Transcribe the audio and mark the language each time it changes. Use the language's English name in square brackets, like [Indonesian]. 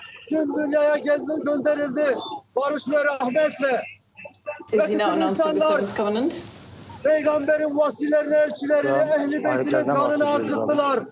[Turkish] Tüm dünyaya geldi, gönderildi barış ve rahmetle. [English] Is he now announcing the seventh covenant? [Turkish] Peygamberin vasilerini, elçilerini, ehli beytinin kanını akıttılar.